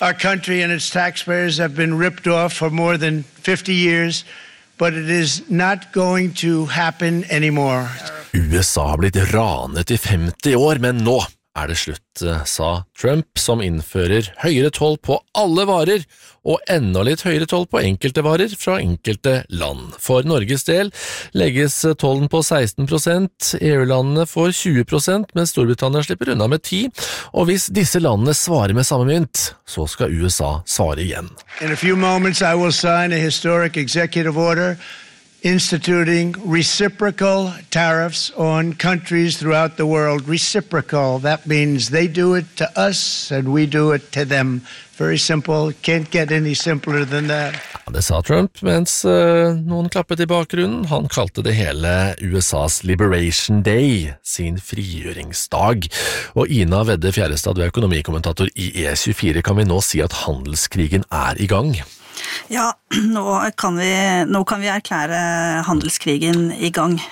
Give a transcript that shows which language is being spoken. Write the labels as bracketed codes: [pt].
[en] Our country and its taxpayers have been ripped off for more than 50 years. But it is not going to happen anymore. [no] USA har blitt ranet I 50 år, men nå det slutt, sa Trump, som innfører høyere toll på alle varer, og enda litt høyere toll på enkelte varer fra enkelte land. For Norges del legges tollen på 16%, EU-landene får 20%, mens Storbritannia slipper unna med 10%, og hvis disse landene svarer med samme mynt, så skal USA svare igjen. [en] In a few moments I will sign a historic executive order instituting reciprocal tariffs on countries throughout the world. Reciprocal, that means they do it to us and we do it to them. Very simple, can't get any simpler than that. [no] Ja, det sa Trump, mens noen klappet I bakgrunnen. Han kalte det hele USAs Liberation Day, sin frigjøringsdag. Og Ina Vedde Fjerestad, du økonomikommentator I E24, kan vi nå si at handelskrigen I gang? Ja, nå kan vi erklære handelskrigen I gang.